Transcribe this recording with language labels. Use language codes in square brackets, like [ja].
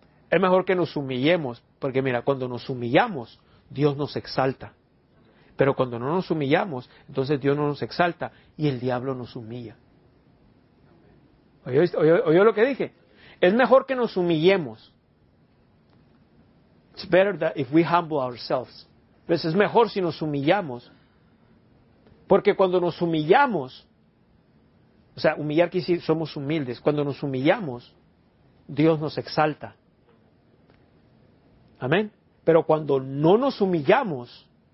[es] Es mejor que nos humillemos. Porque mira, cuando nos humillamos, Dios nos exalta. Pero cuando no nos humillamos, entonces Dios no nos exalta y el diablo nos humilla. ¿Oyó lo que dije? Es mejor que nos humillemos. [en] It's better that if we humble ourselves. [es] Pues es mejor si nos humillamos. Porque cuando nos humillamos, o sea, humillar quiere decir somos humildes. Cuando nos humillamos, Dios nos exalta. Amén. Pero cuando no nos humillamos,